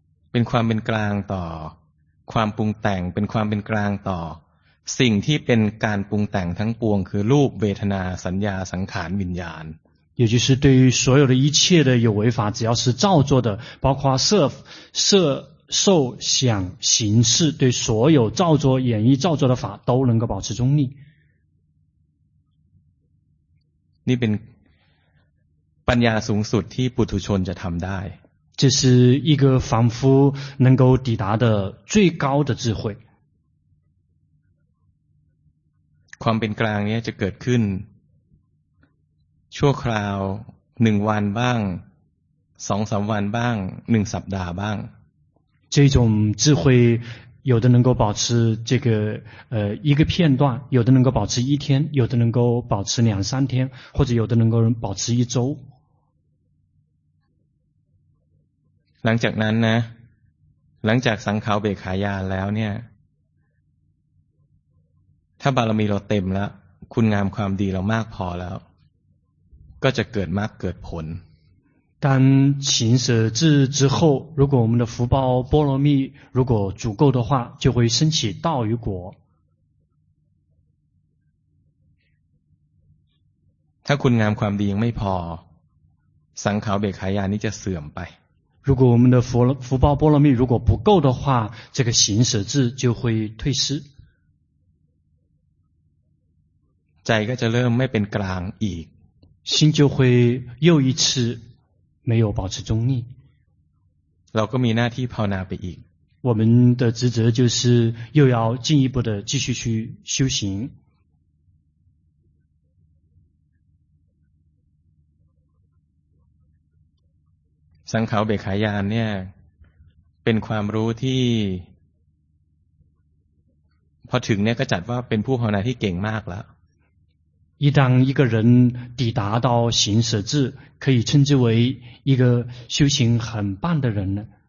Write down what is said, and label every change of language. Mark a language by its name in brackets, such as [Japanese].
[Thai] เป็นความเป็นกลางต่อความปรุงแต่งเป็นความเป็นกลางต่อสิ่งที่เป็นการปรุงแต่งทั้งปวงคือรูปเวทนาสัญญาสังขารวิญญาณ [Chinese] 也就是对于所有的一切的有为法只要是造作的包括色受想行识对所有造作演绎造作的法都能够保持中立 [Thai] นี่เป็นปัญญาสูงสุดที่ปุถุชนจะทำได้ [Chinese] 这是一个凡夫能够抵达的最高的智慧。 [Thai] ความเป็นกลางเนี่ยจะเกิดขึ้นชั่วคราว1วันบ้าง2 3วันบ้าง1สัปดาห์บ้าง [Chinese] 这种智慧有的能够保持这个一个片段有的能够保持一天有的能够保持两三天或者有的能够保持一周。 [Thai] หลังจากนั้นนะหลังจากสังขารเบกขายานแล้วเนี่ยถ้าบารมีเราเต็มแล้วคุณงามความดีเรามากพอแล้วก็จะเกิดมรรคเกิดผล [Chinese] 当行舍智之后如果我们的福报波罗蜜如果足够的话就会升起道与果 [Thai] ถ้าคุณงามความดียังไม่พอสังขารเบกขายานนี้จะเสื่อมไป [Chinese] 如果我们的福报波罗蜜如果不够的话这个行舍智就会退失 [Thai] ใจก็จะเริ่มไม่เป็นกลางอีก [Chinese] 心就会又一次没有保持中立 [Thai] เราก็มีหน้าที่ภาวนาไปอีก [Chinese] 我们的职责就是又要进一步的继续去修行 [Thai] สังขารเบขายานเนี่ยเป็นความรู้ที่พอถึงเนี่ยก็จัดว่าเป็นผู้ภาวนาที่เก่งมากแล้ว [Chinese] 一旦一个人抵达到行舍智可以称之为一个修行很棒的人